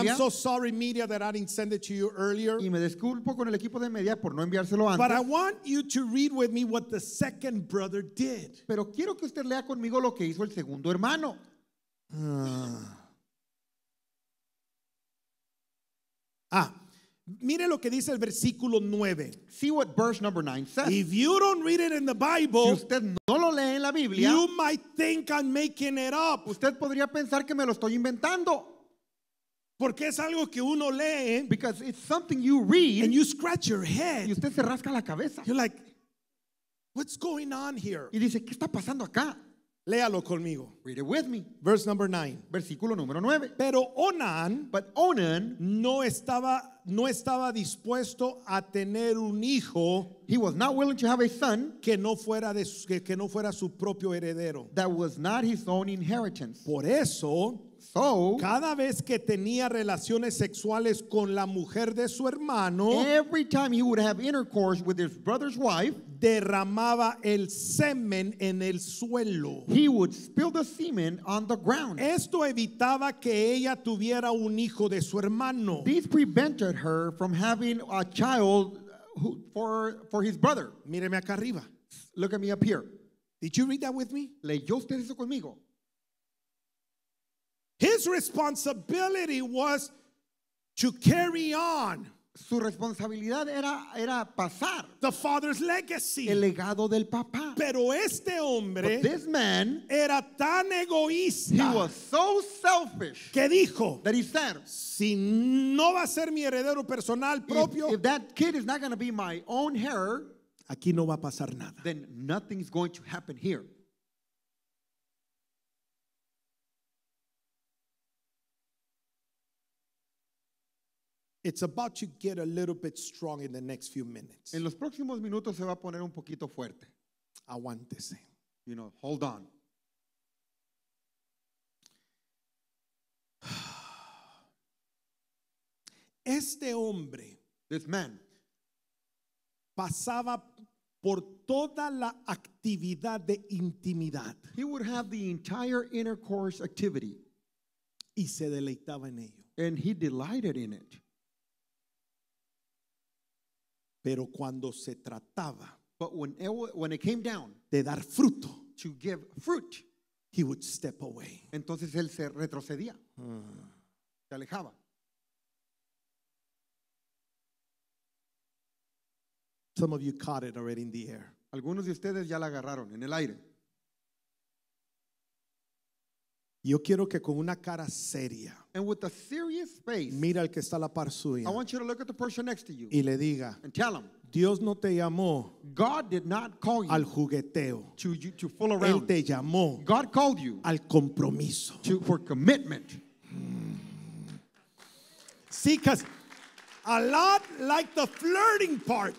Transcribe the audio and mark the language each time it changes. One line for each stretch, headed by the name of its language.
English: And I'm so sorry, media, that I didn't send it to you earlier.
Spanish: Y me disculpo con el equipo de media por no enviárselo antes.
English: But I want you to read with me what the second brother did.
Spanish: Pero quiero que usted lea conmigo lo que hizo el segundo hermano. Mire lo que dice el versículo 9.
English: See what verse number 9 says. If you don't read it in the Bible,
Spanish: si usted no lo lee en la Biblia,
English: you might think I'm making it up.
Spanish: Usted podría pensar que me lo estoy inventando. Porque es algo que uno lee,
English: because it's something you read, and you scratch your head.
Spanish: Y usted se rasca la cabeza.
English: You're like, what's going on here?
Spanish: Y dice, ¿qué está pasando acá? Léalo conmigo.
English: Read it with me. Verse number 9.
Spanish: Versículo número 9. Pero Onan,
English: but Onan,
Spanish: no estaba dispuesto a tener un hijo.
English: He was not willing to have a son
Spanish: que no fuera su propio heredero.
English: That was not his own inheritance.
Spanish: Por eso,
English: so,
Spanish: cada vez que tenía relaciones sexuales con la mujer de su hermano,
English: every time he would have intercourse with his brother's wife,
Spanish: derramaba el semen en el suelo.
English: He would spill the semen on the ground.
Spanish: Esto evitaba que ella tuviera un hijo de su hermano.
English: This prevented her from having a child for his brother.
Spanish: Míreme acá arriba.
English: Look at me up here. Did you read that with me?
Spanish: ¿Leyó usted eso conmigo?
English: His responsibility was to carry on.
Spanish: Su responsabilidad era pasar.
English: The father's legacy.
Spanish: El legado del papá. Pero este hombre,
English: but this man,
Spanish: era tan egoísta.
English: He was so selfish.
Spanish: Que dijo,
English: that he said,
Spanish: si no va a ser mi heredero personal propio,
English: if that kid is not going to be my own heir,
Spanish: aquí no va a pasar nada.
English: Then nothing's going to happen here. It's about to get a little bit strong in the next few minutes.
Spanish: En los próximos minutos se va a poner un poquito fuerte. Aguántese.
English: You know, hold on.
Spanish: Este hombre,
English: this man,
Spanish: pasaba por toda la actividad de intimidad.
English: He would have the entire intercourse activity.
Spanish: Y se deleitaba en ello.
English: And he delighted in it.
Spanish: Pero cuando se trataba
English: when it came down
Spanish: de dar fruto,
English: to give fruit, he would step away.
Spanish: Entonces él se retrocedía. Se alejaba.
English: Some of you caught it already in the air.
Spanish: Algunos de ustedes ya la agarraron en el aire. Yo quiero que con una cara seria,
English: and with a serious face,
Spanish: mira al que está a la par suya,
English: I want you to look at the person next to you,
Spanish: y le diga,
English: and tell him,
Spanish: Dios no te llamó,
English: God did not call you,
Spanish: al jugueteo,
English: to fool around.
Spanish: Él te llamó,
English: God called you,
Spanish: al compromiso,
English: for commitment. Sí, because a lot like the flirting part.